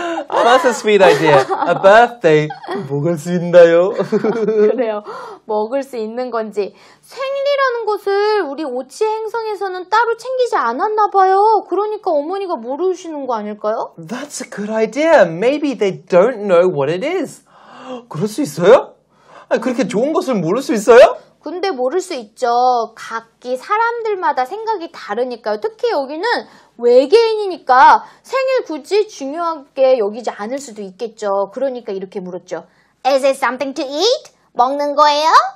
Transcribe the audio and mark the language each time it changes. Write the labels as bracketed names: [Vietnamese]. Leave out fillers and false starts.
[English] Oh, that's a sweet idea. A birthday. [Korean] 먹을 수 있나요? 그래요. 먹을 수 있는 건지. 생일이라는 것을 우리 오치 행성에서는 따로 챙기지 않았나 봐요. 그러니까 어머니가 모르시는 거 아닐까요? [English] That's a good idea. Maybe they don't know what it is. [Korean] 그럴 수 있어요? 그렇게 좋은 것을 모를 수 있어요? 근데 모를 수 있죠. 각기 사람들마다 생각이 다르니까요. 특히 여기는 외계인이니까 생일 굳이 중요하게 여기지 않을 수도 있겠죠. 그러니까 이렇게 물었죠. [English] Is it something to eat? [Korean] 먹는 거예요?